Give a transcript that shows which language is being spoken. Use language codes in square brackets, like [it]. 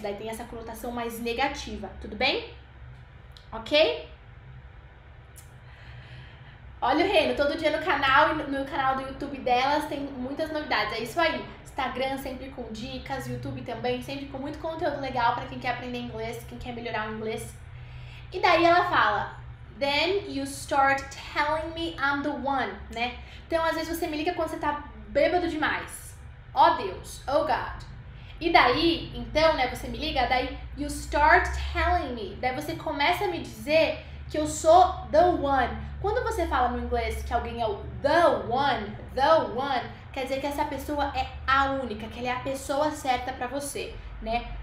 [pt] Daí tem essa conotação mais negativa. Tudo bem? Ok? Olha o Reno. Todo dia no canal e no canal do YouTube delas tem muitas novidades. É isso aí. Instagram sempre com dicas. YouTube também. Sempre com muito conteúdo legal pra quem quer aprender inglês. Quem quer melhorar o inglês. E daí ela fala... [en] Then you start telling me I'm the one. [pt] Né? Então às vezes você me liga quando você tá... bêbado demais. Oh, Deus. [en] Oh, God. [pt] E daí, então, né, você me liga, daí [en] you start telling me. [pt] Daí você começa a me dizer que eu sou the one. Quando você fala no inglês que alguém é o the one, quer dizer que essa pessoa é a única, que ela é a pessoa certa pra você, né?